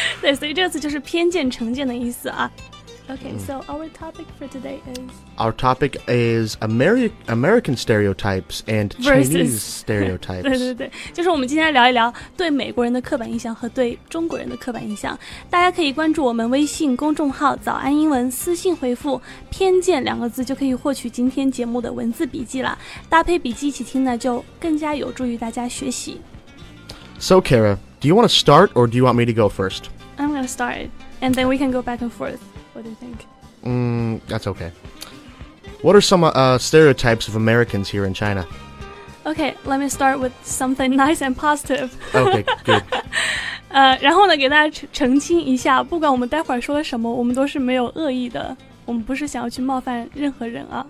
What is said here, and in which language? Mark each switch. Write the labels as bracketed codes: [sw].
[zh] 对所以这个词就是偏见成见的意思啊。 [en] Okay, so our topic for today is... Our topic is American stereotypes and Chinese stereotypes. [zh] 对对对就是我们今天聊一聊对美国人的刻板印象和对中国人的刻板印象。大家可以关注我们微信公众号早安英文私信回复偏见两个字就可以获取今天节目的文字笔记了。搭配笔记一起听呢就更加有助于大家学习。 [en] So, Kara, do you want to start or do you want me to go first? I'm going to start and then we can go back and forth. What do you think? That's okay. What are some stereotypes of Americans here in China? Okay, let me start with something nice and positive. Okay, good. [zh] 然后呢，给大家澄清一下，不管我们待会儿说了什么，我们都是没有恶意的，我们不是想要去冒犯任何人啊。